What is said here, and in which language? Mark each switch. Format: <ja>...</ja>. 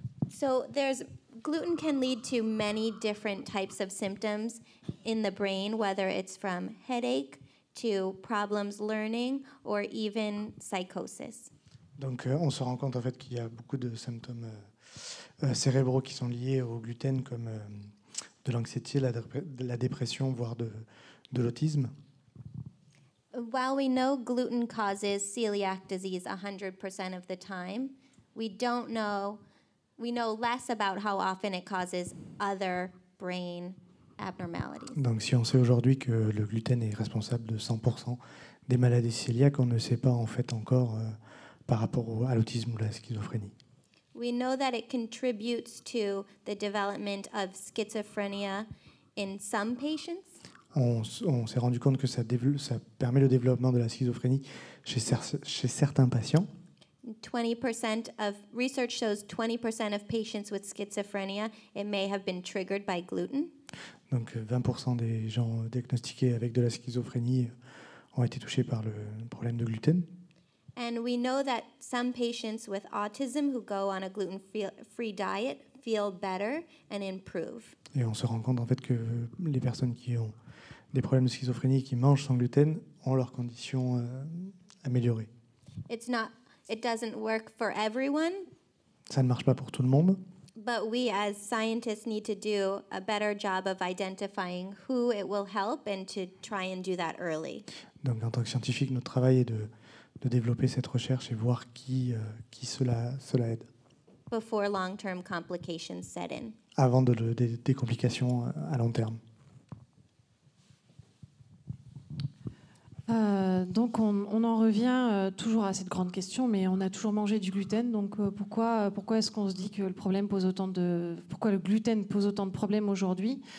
<en>So gluten can lead to many different types of symptoms in the brain, whether it's from headache to problems learning or even psychosis.</en> <fr>Donc on se rend compte en fait qu'il y a beaucoup de symptômes cérébraux qui sont liés au gluten, comme de l'anxiété, la dépression, voire de l'autisme.</fr> <en>While we know gluten causes celiac disease 100% of the time, we know less about how often it causes other brain abnormalities.</en> <fr>Donc si on sait aujourd'hui que le gluten est responsable de 100% des maladies cœliaques, on ne sait pas en fait encore par rapport à l'autisme ou la schizophrénie.</fr> <en>We know that it contributes to the development of schizophrenia in some patients.</en> <fr>On s'est rendu compte que ça permet le développement de la schizophrénie chez certains patients.</fr> <en>20% of research shows 20% of patients with schizophrenia it may have been triggered by gluten.</en> <fr>Donc 20% des gens diagnostiqués avec de la schizophrénie ont été touchés par le problème de gluten.</fr> <en>And we know that some patients with autism who go on a gluten-free diet feel better and improve.</en> <fr>Et on se rend compte en fait que les personnes qui ont des problèmes de schizophrénie qui mangent sans gluten ont leurs conditions améliorées.</fr> <en>It doesn't work for everyone.</en> <fr>Ça ne marche pas pour tout le monde.</fr> <en>But we as scientists need to do a better job of identifying who it will help and to try and do that early.</en> <fr>Donc en tant que scientifique, notre travail est de développer cette recherche et voir qui cela aide.</fr> <en>Before long-term complications set in.</en> <fr>Avant des complications à long terme. Donc on en revient toujours à cette grande question, mais on a toujours mangé du gluten, donc pourquoi est-ce qu'on se dit que pourquoi le gluten pose autant de problèmes aujourd'hui?</fr>